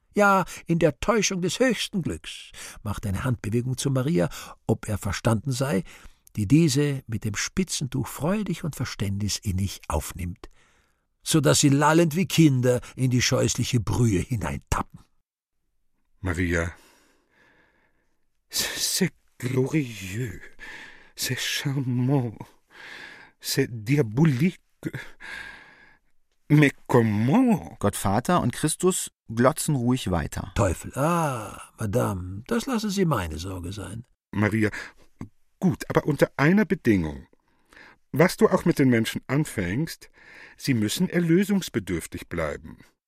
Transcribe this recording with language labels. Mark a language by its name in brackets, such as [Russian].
[German] Ja, in der Täuschung des höchsten Glücks, macht eine Handbewegung zu Maria, ob er verstanden sei, die diese mit dem Spitzentuch freudig und verständnisinnig aufnimmt, so dass sie lallend wie Kinder in die scheußliche Brühe hineintappen. [French] Maria, c'est glorieux, c'est charmant, c'est diabolique. Mais comment? [German] Gott Vater und Christus glotzen ruhig weiter. Teufel, ah, Madame, das lassen Sie meine Sorge sein. Maria, gut, aber unter einer Bedingung. Was du auch mit den Menschen anfängst, sie müssen erlösungsbedürftig bleiben.